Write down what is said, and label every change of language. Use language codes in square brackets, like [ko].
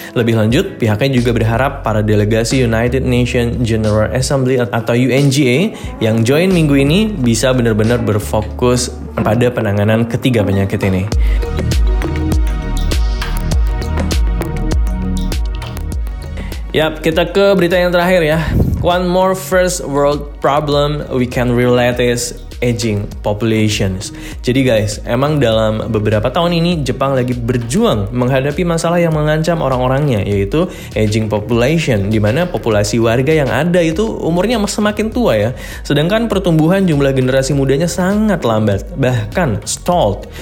[id] Lebih lanjut, pihaknya juga berharap para delegasi United Nations General Assembly atau UNGA yang join minggu ini bisa benar-benar berfokus pada penanganan ketiga penyakit ini. Yap, kita ke berita yang terakhir ya. [en] One more first world problem we can relate is aging populations. [id] Jadi guys, emang dalam beberapa tahun ini Jepang lagi berjuang menghadapi masalah yang mengancam orang-orangnya, yaitu aging population, di mana populasi warga yang ada itu umurnya semakin tua ya. Sedangkan pertumbuhan jumlah generasi mudanya sangat lambat, bahkan stalled.